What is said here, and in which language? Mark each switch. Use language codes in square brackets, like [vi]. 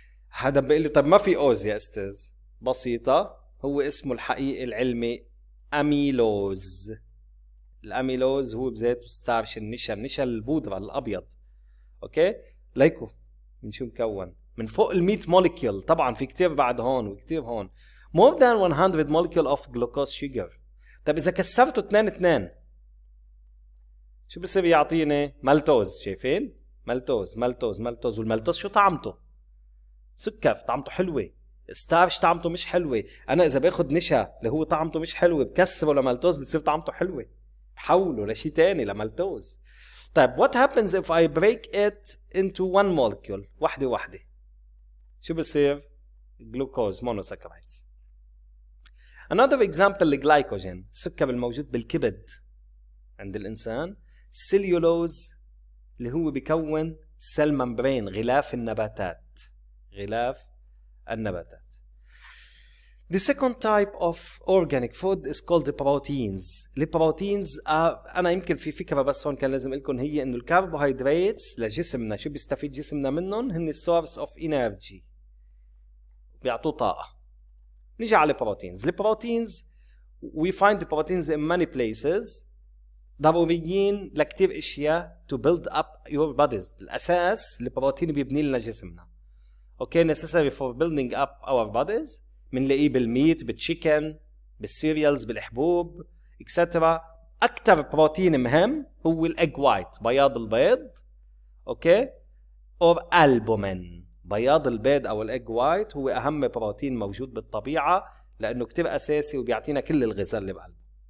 [ar] حدا بيقول لي طب ما في اوز يا استاذ، بسيطة، هو اسمه الحقيقي العلمي اميلوز. الاميلوز هو بذاته ستارش النشا، النشا البودرة الابيض. اوكي ليكو من شو مكون؟ من فوق ال 100 موليكيول. طبعا في كتير بعد هون وكتير هون. [en] More than 100 molecule of glucose sugar. [ar] طب اذا كسرته 2 2 شو بصير يعطيني؟ مالتوز. شايفين؟ مالتوز مالتوز مالتوز. والمالتوز شو طعمته؟ سكر، طعمته حلوة. ستارش طعمته مش حلوة. أنا إذا بأخذ نشا اللي هو طعمته مش حلوة بكسره لمالتوز بتصير طعمته حلوة، بحوله لشي تاني لمالتوز. [en] طيب what happens if I break it into one molecule، [ar] واحدة واحدة، شو بصير؟ [en] Glucose monosaccharides. Another example [ar] الجلايكوجين، السكر الموجود بالكبد عند الإنسان. سيليولوز اللي هو بيكون سيل ممبرين، غلاف النباتات، غلاف النباتات. [en] The second type of organic food is called the proteins. The proteins are, [ar] أنا يمكن في فكرة بس هون كان لازم لكم، هي إنه الكربوهيدرات لجسمنا شو بيستفيد جسمنا منهم؟ هن [en] source of energy، [ar] بيعطوا طاقة. نيجي على البروتينز. [en] البروتينز we find the proteins in many places، [ar] ضروريين لكتير أشياء [en] to build up your bodies. [ar] الأساس البروتين بيبني لنا جسمنا. [en] Okay, necessary for building up our bodies. [ar] منلاقيه بالميت، بالشيكن، بالسيريالز، بالحبوب، etc. أكتر بروتين مهم هو الأج وايت، بياض البيض. [en] Okay, or albumin. [ar] بياض البيض أو الأج وايت هو أهم بروتين موجود بالطبيعة لأنه كتير أساسي وبيعطينا كل الغذاء اللي بقلبه.